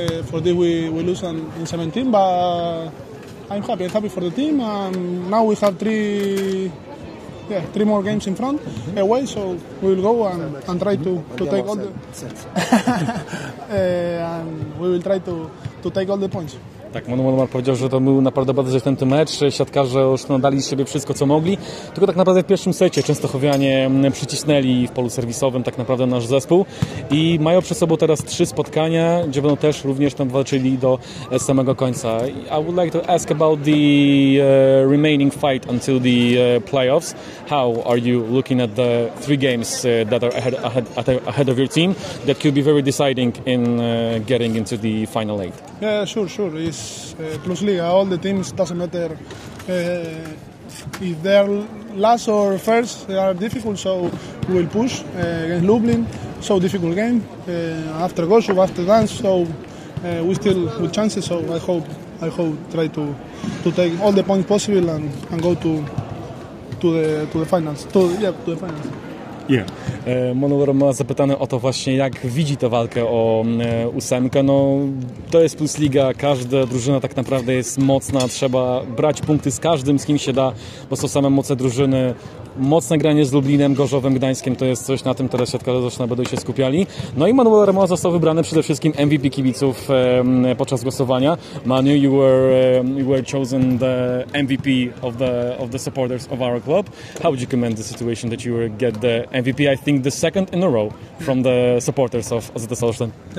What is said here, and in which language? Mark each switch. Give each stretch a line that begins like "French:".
English: For this we lose in 17, but I'm happy. I'm happy for the team. Now we have three more games in front away, so we'll go and try to take all the and we will try to take all the points.
Polish: Tak, Manuel Mar powiedział, że to był naprawdę bardzo zacięty mecz. Siatkarze Olsztyna dali z siebie wszystko, co mogli. Tylko tak naprawdę w pierwszym secie częstochowianie przycisnęli w polu serwisowym tak naprawdę nasz zespół. I mają przed sobą teraz trzy spotkania, gdzie będą też również tam walczyli do samego końca.
English: I would like to ask about the remaining fight until the playoffs. How are you looking at the three games that are ahead of your team that could be very deciding in getting into the final eight? Yeah, sure. It's plus league. All the teams, doesn't matter if they're last or first, they are difficult, so we'll push against Lublin. So difficult game. After Gosu, after Dance, so we still with chances, so I hope try to take all the points possible and go to the finals. To the finals. Yeah.
Polish: Manuel ma zapytany o to właśnie, jak widzi tę walkę o ósemkę. No, to jest plus liga, każda drużyna tak naprawdę jest mocna, trzeba brać punkty z każdym, z kim się da, bo są same moce drużyny. Mocne granie z Lublinem, Gorzowem, Gdańskiem to jest coś, na tym teraz siatkarze zresztą będą się skupiali. No i Manuel Ramos został wybrany przede wszystkim MVP kibiców podczas głosowania.
English: Manu, you were chosen the MVP of the supporters of our club. How would you commend the situation that you get the MVP, I think the second in a row from the supporters of AZS Olsztyn?